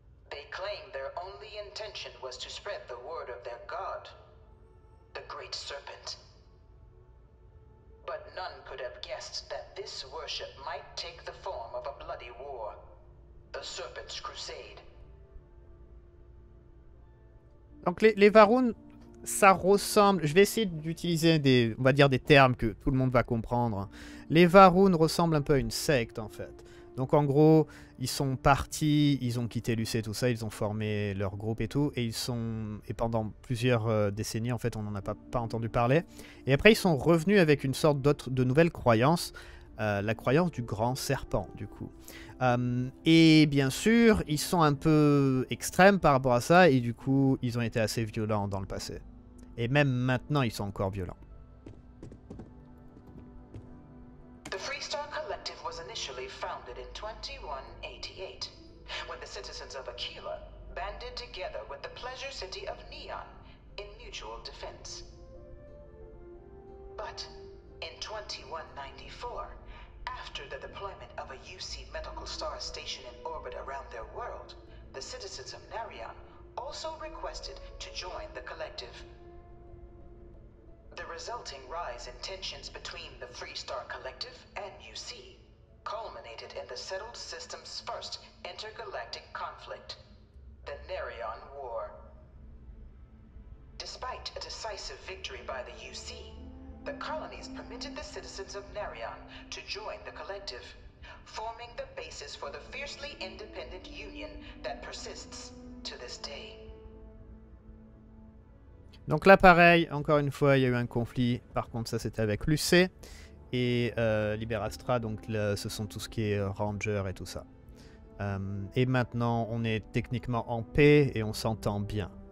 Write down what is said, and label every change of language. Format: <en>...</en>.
<en>They claimed their only intention was to spread the word of their god, the Great Serpent. But none could have guessed that this worship might take the form of a bloody war, the Serpent's Crusade.</en> <fr>Donc les Varun, ça ressemble, je vais essayer d'utiliser des, on va dire des termes que tout le monde va comprendre. Les Varun ressemblent un peu à une secte en fait. Donc en gros, ils sont partis, ils ont quitté l'UC et tout ça, ils ont formé leur groupe et tout, et ils sont, et pendant plusieurs décennies en fait, on n'en a pas entendu parler. Et après ils sont revenus avec une sorte de nouvelle croyance, la croyance du grand serpent du coup. Et bien sûr, ils sont un peu extrêmes par rapport à ça, et du coup, ils ont été assez violents dans le passé. Et même maintenant, ils sont encore violents.</fr> <en>The Free Star Collective was initially founded in 2188, when the citizens of Aquila banded together with the pleasure city of Neon in mutual defense. But in 2194, after the deployment of a UC medical star station in orbit around their world, the citizens of Narion also requested to join the collective. The resulting rise in tensions between the Free Star Collective and UC culminated in the settled system's first intergalactic conflict, the Narion War. Despite a decisive victory by the UC, the colonies permitted the citizens of Narion to join the collective, forming the basis for the fiercely independent union that persists to this day.</en> <fr>Donc là, pareil, encore une fois, il y a eu un conflit. Par contre, ça, c'était avec l'UC et Liberastra. Donc, là, ce sont tout ce qui est Ranger et tout ça. Et maintenant, on est techniquement en paix et on s'entend bien.</fr>